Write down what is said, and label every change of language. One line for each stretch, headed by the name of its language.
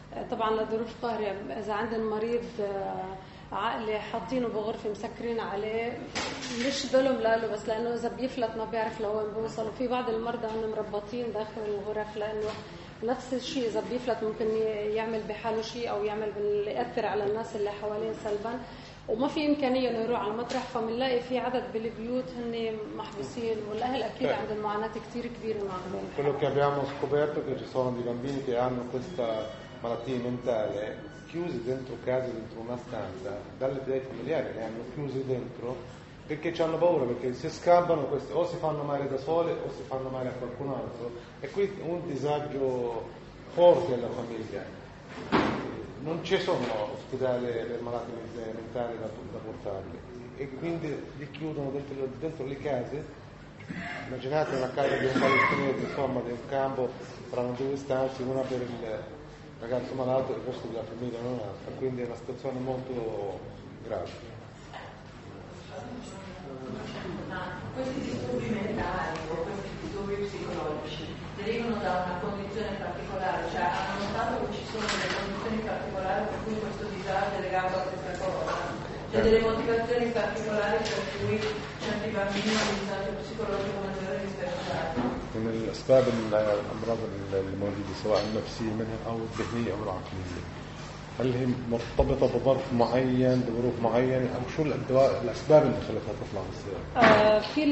Arabic: طبعا لظروف قهريه، اذا عندهم مريض عقلي حاطينه بغرفه مسكرين عليه، مش ظلم له، بس لانه اذا بيفلت ما بيعرف لوين بيوصل، وفي بعض المرضى هم مربطين داخل الغرف، لانه نفس الشيء اذا بيفلت ممكن يعمل بحاله شيء او يعمل ياثر على الناس اللي حواليه سلبا، وما في امكانيه انه يروح على المطرح، فبنلاقي في عدد بالبيوت هن محبوسين، والاهل اكيد عندهم معاناه كثير كبيره مع كل اللي
Italian: abbiamo scoperto che ci sono dei bambini che hanno questa malattie mentali chiuse dentro casa, dentro una stanza, dalle idee familiari le hanno chiuse dentro perché ci hanno paura, perché se scappano queste o si fanno male da sole o si fanno male a qualcun altro, e qui un disagio forte alla famiglia. Non ci sono ospedali per malattie mentali da portarli, e quindi li chiudono dentro le case. Immaginate una casa di un palestinese, insomma, di un campo, tra due stanze, una per il ragazzo malato e questo della famiglia non altro, quindi è una situazione molto grave. Questi disturbi mentali o questi disturbi psicologici derivano da una condizione particolare, cioè hanno notato che ci sono delle condizioni particolari per cui questo disagio è legato a questa cosa, cioè delle motivazioni particolari per cui certi bambini hanno un disagio psicologico maggiore rispetto ad altri.
Arabic: من الأسباب الأمراض الموجودة سواء النفسية منها أو الذهنية أو العقلية، هل هي مرتبطة بظرف معين، بظروف معينة، أو شو الأسباب اللي خلتها تطلع بالسيارة؟